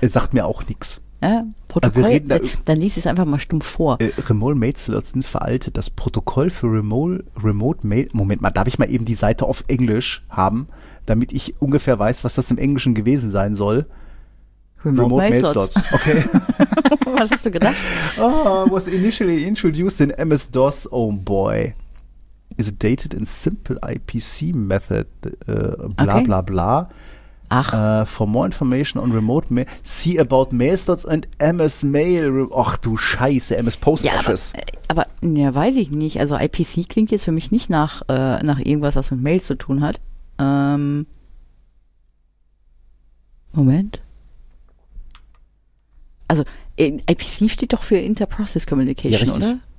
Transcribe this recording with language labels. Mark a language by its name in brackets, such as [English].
[German] Es sagt mir auch nichts. Protokoll, dann liest es einfach mal stumm vor. Remote Mail Slots sind veraltet. Das Protokoll für Remote Mail. Moment mal, darf ich mal eben die Seite auf Englisch haben, damit ich ungefähr weiß, was das im Englischen gewesen sein soll? Remote Mail Slots. Okay. Was hast du gedacht? [English] Oh, was initially introduced in MS-DOS, oh boy. Is it dated in simple IPC method? Bla, okay. Bla, bla. [German] Ach. [English] For more information on remote mail, see about mail slots and MS Mail. [German] Ach du Scheiße, MS Post ja, Office. Aber, weiß ich nicht. Also IPC klingt jetzt für mich nicht nach irgendwas, was mit Mails zu tun hat. Moment. Also IPC steht doch für Inter-Process Communication, ja, oder?